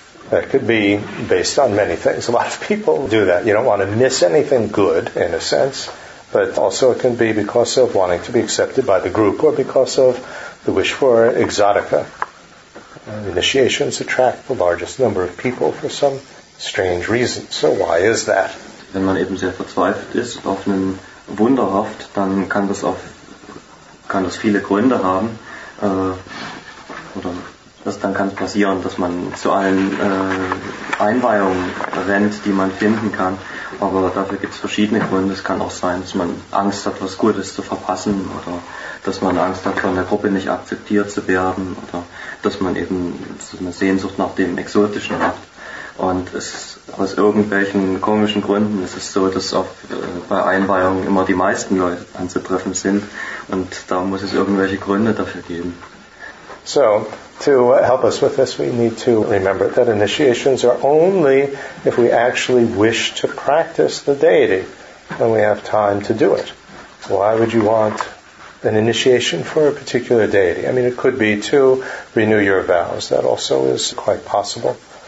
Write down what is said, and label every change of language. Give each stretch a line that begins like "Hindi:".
English: That could be based on many things. A lot of people do that. You don't want to miss anything good, in a sense, but also it can be because of wanting to be accepted by the group or because of the wish for exotica. Initiations attract the largest number of people for some strange reason. So why is that?
German: Wenn man eben sehr verzweifelt ist auf einen Wunder hofft, dann kann das viele Gründe haben, oder dann kann es passieren, dass man zu allen Einweihungen rennt, die man finden kann. Aber dafür gibt es verschiedene Gründe. Es kann auch sein, dass man Angst hat, was Gutes zu verpassen, oder dass man Angst hat, von der Gruppe nicht akzeptiert zu werden, oder dass man eben so eine Sehnsucht nach dem Exotischen hat. Und es aus irgendwelchen komischen Gründen ist es so, dass auch bei Einweihungen immer die meisten Leute anzutreffen sind. Und da muss es irgendwelche Gründe dafür geben.
English: So, to help us with this, we need to remember that initiations are only if we actually wish to practice the deity and we have time to do it. Why would you want an initiation for a particular deity? I mean, it could be to renew your vows. That also is quite possible.